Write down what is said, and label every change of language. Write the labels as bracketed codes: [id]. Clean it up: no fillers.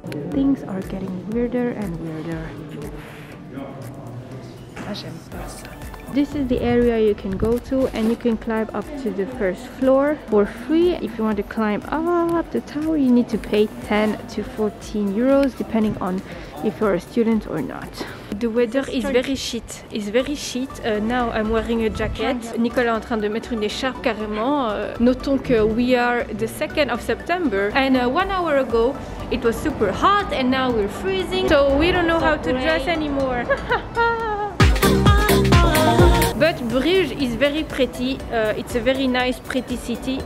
[en] Things are getting weirder and weirder. [fr] Ah, j'aime pas ça. [en] This is the area you can go to, and you can climb up to the first floor for free. If you want to climb up the tower, you need to pay 10 to 14 euros depending on if you're a student or not. The weather is very shit. It's very shit. Now I'm wearing a jacket. [fr] Nicolas est en train de mettre une écharpe carrément. Notons que [en] we are the 2nd of September and 1 hour ago it was super hot and now we're freezing. So we don't know how to dress anymore. But Bruges is very pretty. It's a very nice, pretty city.